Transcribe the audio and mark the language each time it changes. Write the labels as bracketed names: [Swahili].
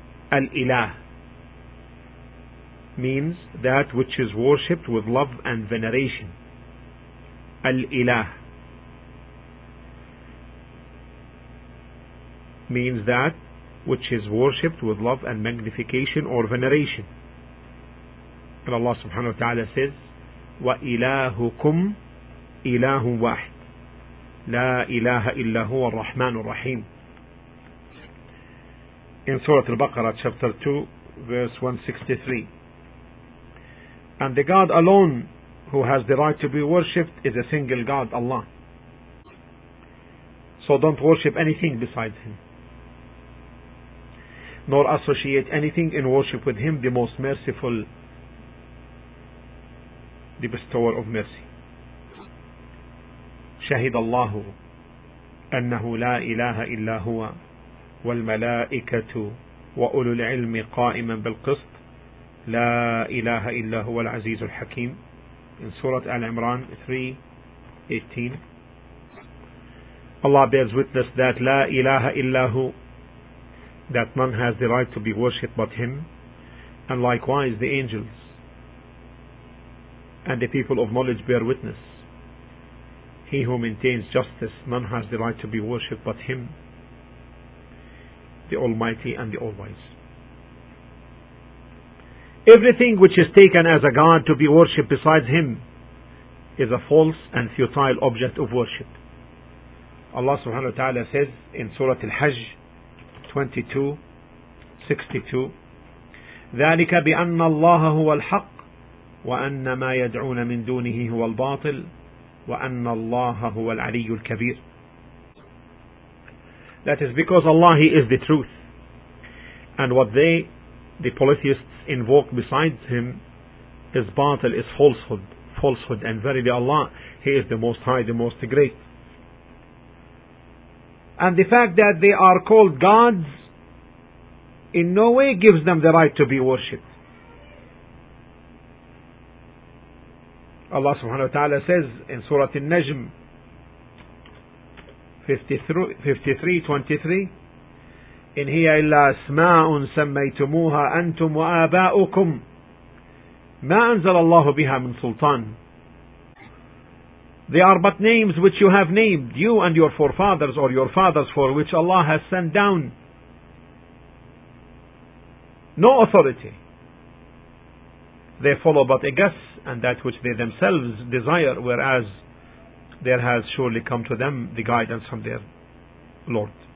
[English] Al-ilah means that which is worshipped with love and veneration. Al-ilah means that which is worshipped with love and magnification or veneration. And Allah subhanahu wa ta'ala says, [Arabic] وَإِلَاهُكُمْ إِلَاهٌ وَاحِدٌ لَا إِلَهَ إِلَّا هُوَ الرَّحْمَنُ الرَّحِيمُ. [English] In Surah Al-Baqarah, chapter 2, verse 163. And the God alone who has the right to be worshipped is a single God, Allah. So don't worship anything besides Him, nor associate anything in worship with Him, the Most Merciful, the Bestower of Mercy. [Arabic] شهد الله أنه لا إله إلا هو والملائكة وأولو العلم قائما بالقسط لا إله إلا هو العزيز الحكيم من سورة آل عمران 3:18. [English] Allah bears witness that la ilaha illahu, that none has the right to be worshipped but him, and likewise the angels and the people of knowledge bear witness. He who maintains justice, none has the right to be worshipped but him, the Almighty and the All-Wise. Everything which is taken as a god to be worshipped besides him is a false and futile object of worship. Allah subhanahu wa ta'ala says in Surah Al-Hajj 22:62, [Arabic] ذلك بأن الله هو الحق وأن ما يدعون من دونه هو الباطل وأن الله هو العلي الكبير. [English] That is because Allah is the truth, and what they, the polytheists, invoke besides him is batil, is falsehood, and verily Allah, he is the most high, the most great. And the fact that they are called gods in no way gives them the right to be worshipped. Allah subhanahu wa ta'ala says in Surah An-Najm 53:23, [Arabic] إِنْ هِيَ إِلَّا أَسْمَاءٌ سَمَّيْتُمُوهَا أَنْتُمْ وَآبَاؤُكُمْ مَا أَنْزَلَ اللَّهُ بِهَا مِنْ سُلْطَانٍ. [English] They are but names which you have named, you and your forefathers or your fathers, for which Allah has sent down no authority. They follow but a guess and that which they themselves desire, whereas there has surely come to them the guidance from their Lord.